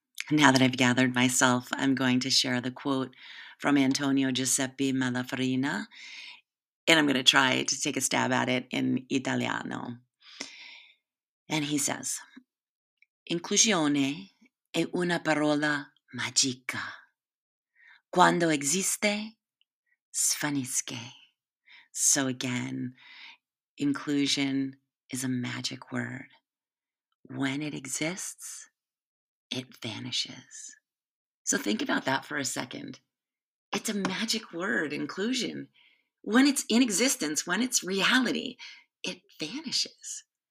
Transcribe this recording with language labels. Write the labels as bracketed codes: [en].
[en] Now that I've gathered myself, I'm going to share the quote from Antonio Giuseppe Malafarina, and I'm going to try to take a stab at it in Italiano. And he says, [it] inclusione è una parola magica. Quando esiste, svanisce. [en] So again, inclusion is a magic word. When it exists, it vanishes. So think about that for a second. It's a magic word, inclusion. When it's in existence, when it's reality, it vanishes.